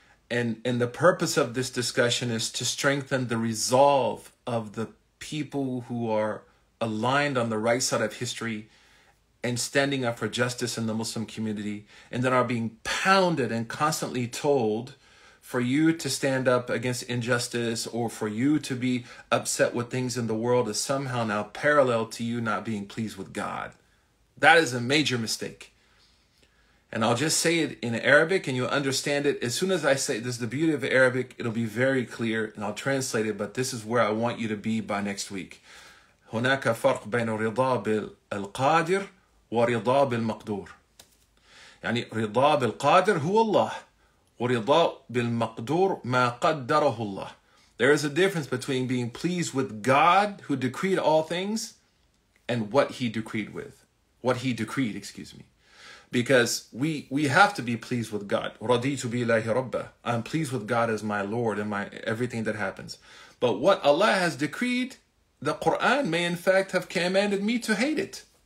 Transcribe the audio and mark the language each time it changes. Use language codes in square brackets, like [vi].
[en] And the purpose of this discussion is to strengthen the resolve of the people who are aligned on the right side of history and standing up for justice in the Muslim community, and then are being pounded and constantly told for you to stand up against injustice, or for you to be upset with things in the world, is somehow now parallel to you not being pleased with God. That is a major mistake. And I'll just say it in Arabic and you'll understand it. As soon as I say this, the beauty of Arabic, it'll be very clear and I'll translate it, but this is where I want you to be by next week. [ar] هناك فرق بين رضا بالقادر ورضا بالمقدور. يعني رضا بالقادر هو الله ورضا بالمقدور ما قدره الله. [en] There is a difference between being pleased with God who decreed all things and what he decreed with. What he decreed, excuse me. Because we have to be pleased with God. [ar] رَضِيتُ بِاللَّهِ رَبَّ. [en] I'm pleased with God as my Lord and my everything that happens. But what Allah has decreed, the Quran may in fact have commanded me to hate it.